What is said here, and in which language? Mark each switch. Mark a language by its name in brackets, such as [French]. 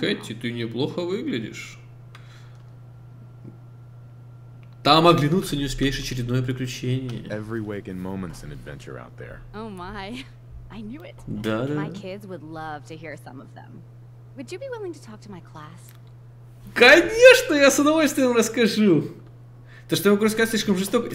[Russian] Кэти, ты неплохо выглядишь. Там оглянуться не успеешь, очередное приключение. [English] Every waking moment's an adventure out there. Oh my, I knew it. [Russian] Да-да. [English] My kids would love to hear some of them. Would you be willing to talk to my class? [Russian] Конечно, я с удовольствием расскажу. То, что я могу рассказать, слишком жестоко.